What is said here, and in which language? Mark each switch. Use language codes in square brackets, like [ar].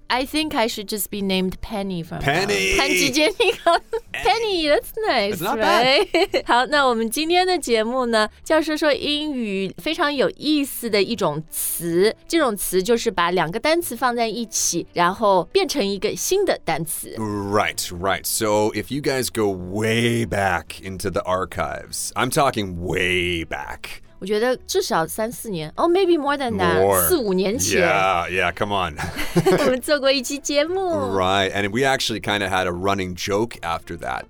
[en] I think I should just be named Penny from Penny. 潘吉 Jenny [zh] 告诉你 [en] Penny, that's nice. It's not bad. [zh] 好，那我们今天的节目呢，教授说英语非常有意思的一种词，这种词就是把两个单词放在一起，然后变成一个新的单词。 [en] Right, right. So if you guys go way back into the archives, I'm talking way back. [zh] 我觉得至少三四年 [en] Oh, maybe more than that. More. [zh] 四五年前 [en] Yeah, yeah, come on. [zh] 我们做过一期节目 [en] Right, and we actually kind of had a running joke after that.